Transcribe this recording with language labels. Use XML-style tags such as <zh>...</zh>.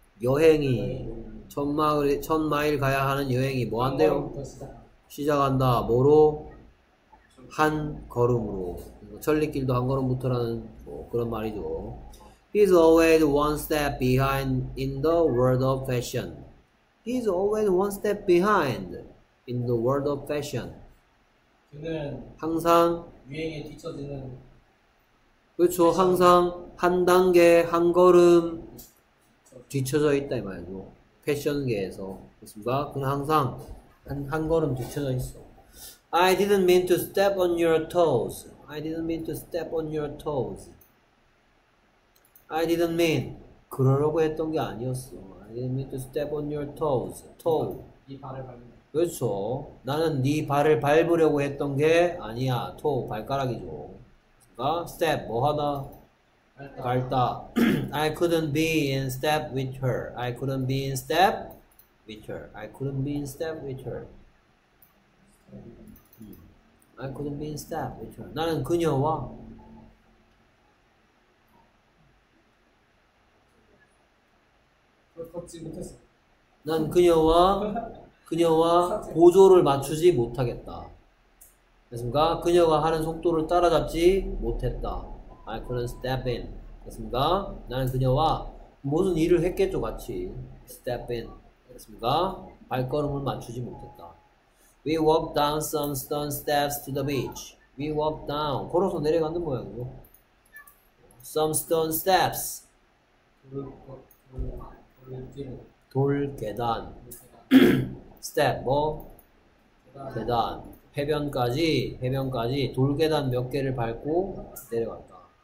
<ko>여행이 천 마일 가야 하는 여행이 뭐 한대요? 시작한다. 뭐로? 한 걸음으로, 천리길도 한 걸음부터라는 뭐 그런 말이죠.</ko> <en>He's always one step behind in the world of fashion. He's always one step behind in the world of fashion.</en> <ko>그는 항상, 유행에 뒤처지는 그렇죠. 항상 한 단계, 한 걸음 뒤쳐져 있다 이 말이죠. 패션계에서. 그렇습니까? 그는 항상 한 걸음 뒤쳐져 있어.</ko> <en>I didn't mean to step on your toes. I didn't mean to step on your toes. I didn't mean.</en> <ko>그러려고 했던 게 아니었어.</ko> <en>I didn't mean to step on your toes. Toe.</en> <ko>이 발을 밟는. 그렇죠. 나는 네 발을 밟으려고 했던 게 아니야. Toe. 발가락이죠. 그러니까 step. 뭐 하다? 밟다.</ko> <en>I couldn't be in step with her. I couldn't be in step with her. I couldn't be in step with her. I couldn't be in step with her.</en> <ko>나는 그녀와 걷지 못했어. 그녀와 보조를 맞추지 못하겠다. 됐습니까? 그녀가 하는 속도를 따라잡지 못했다.</ko> <en>I couldn't step in.</en> <ko>됐습니까? 나는 그녀와 모든 일을 했겠죠, 같이.</ko> <en>Step in.</en> <ko>됐습니까? 발걸음을 맞추지 못했다.</ko> <en>We walked down some stone steps to the beach. We walked down.</en> <ko>걸어서 내려가는 모양이고.</ko> <en>Some stone steps.</en> <ko>돌 계단. Step, 뭐? 계단. 해변까지 돌 계단 몇 개를 밟고 내려갔다.</ko>